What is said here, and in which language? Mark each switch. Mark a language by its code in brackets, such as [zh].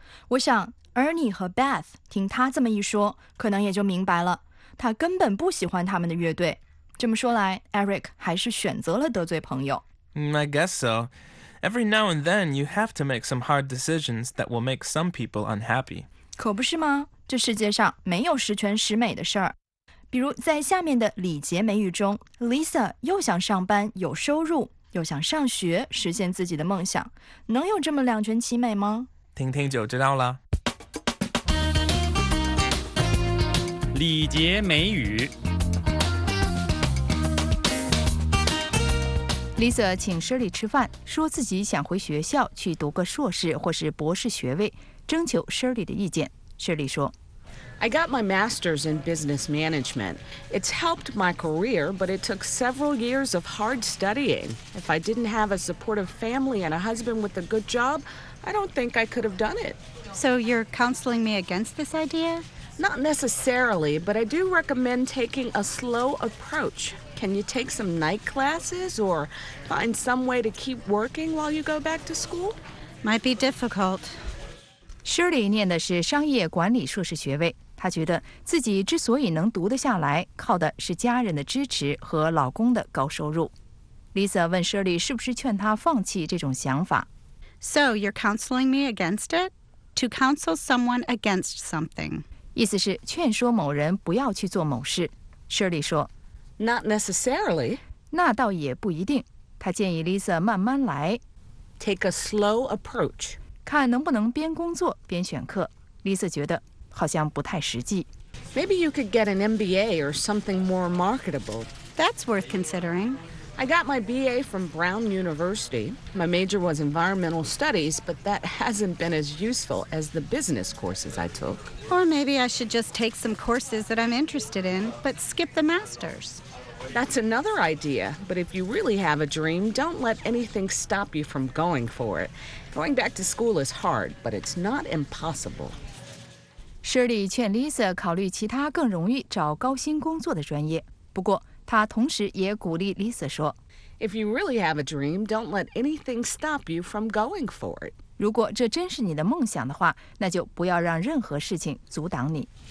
[zh] 我想 Ernie 和 Beth 听他这么一说，可能也就明白了，他根本不喜欢他们的乐队。这么说来 ，Eric 还是选择了得罪朋友。 [en] I guess so. Every now and then, you have to make some hard decisions that will make some people unhappy. [zh] 可不是吗？这世界上没有十全十美的事儿。比如在下面的礼节美语中 ，Lisa 又想上班有收入，又想上学实现自己的梦想，能有这么两全其美吗？听听就知道了。礼节美语。 Lisa 请 Shirley 吃饭，说自己想回学校去读个硕士或是博士学位，征求 Shirley 的意见。Shirley 说 [en] I got my master's in business management. It's helped my career, but it took several years of hard studying. If I didn't have a supportive family and a husband with a good job, I don't think I could have done it. So you're counseling me against this idea? Not necessarily, but I do recommend taking a slow approach. Can you take some night classes or find some way to keep working while you go back to school? Might be difficult. [zh] Shirley 念的是商业管理硕士学位，她觉得自己之所以能读得下来，靠的是家人的支持和老公的高收入。 Lisa 问 Shirley 是不是劝她放弃这种想法。 [en] So you're counseling me against it? To counsel someone against something. [zh] 意思是劝说某人不要去做某事。 Shirley 说 [en] Not necessarily. [zh] 那倒也不一定。他建议 Lisa 慢慢来。 [en] Take a slow approach. [zh] 看能不能边工作边选课。 Lisa 觉得好像不太实际。 [en] Maybe you could get an MBA or something more marketable. That's worth considering. I got my BA from Brown University. My major was environmental studies, but that hasn't been as useful as the business courses I took. Or maybe I should just take some courses that I'm interested in, but skip the master's. That's another idea, but if you really have a dream, don't let anything stop you from going for it. Going back to school is hard, but it's not impossible. [zh] Shirley 劝 Lisa 考虑其他更容易找高薪工作的专业，不过她同时也鼓励 Lisa 说 [en] If you really have a dream, don't let anything stop you from going for it. [zh] 如果这真是你的梦想的话，那就不要让任何事情阻挡你。